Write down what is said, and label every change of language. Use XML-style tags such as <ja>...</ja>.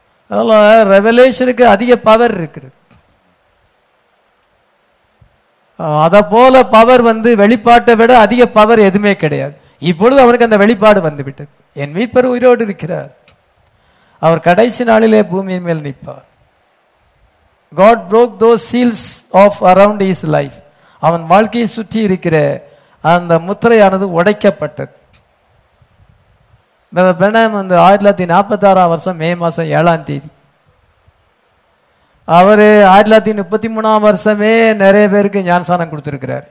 <ta>அதனால ரெவலேஷனுக்கு அதிக பவர் இருக்குது. அதை போல பவர் வந்து வெளிப்பாட்டை விட அதிக பவர் எதுவுமே கிடையாது. இப்பொழுது அவனுக்கு அந்த வெளிப்பாடு வந்து விட்டது. என் மீட்பர் உயிரோடு இருக்கிறார், அவர் கடைசி நாளிலே பூமியின் மேல் நிற்பார்.</ta> <en>God broke those seals of around his life.</en> <ta>அவன் வாழ்க்கையை சுற்றி இருக்கிற அந்த முத்திரையானது உடைக்கப்பட்டது. பிரதர் பிரணாம் வந்து 1946 வருஷம் மே மாதம் 7 தேதி அவர் 1933 வருஷமே நிறைய பேருக்கு ஞானஸ்தானம் கொடுத்துருக்கிறார்.</ta>